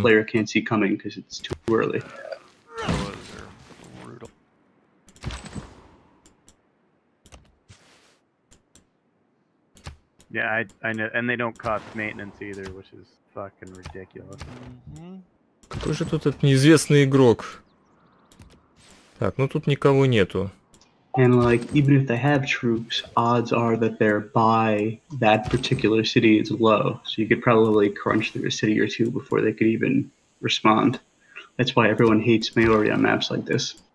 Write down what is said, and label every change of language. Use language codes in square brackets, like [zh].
[en] The player can't see coming because it's too early. Yeah, I know, and they don't cost maintenance either, which is fucking ridiculous. [ru] Какой же тут этот неизвестный игрок? Так, ну тут никого нету. [en] And like, even if they have troops, odds are that they're by that particular city is low. So you could probably crunch through a city or two before they could even respond. That's why everyone hates Maori on maps like this.